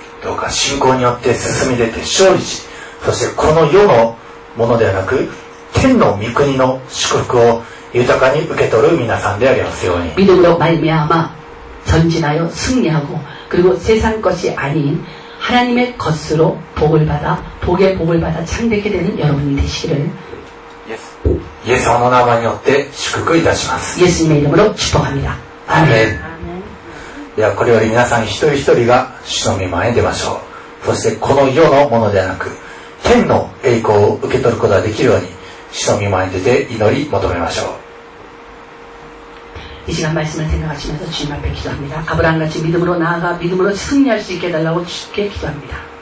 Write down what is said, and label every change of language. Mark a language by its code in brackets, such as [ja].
[ja] どうか信仰によって進み出て勝利しそしてこの世のものではなく天の御国の祝福を豊かに受け取る皆さんでありますように [ko] 믿음으로말미암아전진하여승리하고그리고세상것이아닌하나님의것으로복을받아복의복을받아창대하게되는여러분이되시기를 예수의 [ja] 名によって祝福いたします。 [ko] 예수님의이름으로축복합니다아멘 [ja] ではこれより皆さん一人一人が主の御前に出ましょう。そしてこの世のものではなく天の栄光を受け取ることができるように主の御前に出て祈り求めましょう。 [ko] 이시간말씀을생각하시면서주님앞에기도합니다아브라함같이믿음으로나아가믿음으로승리할수있게해달라고주께기도합니다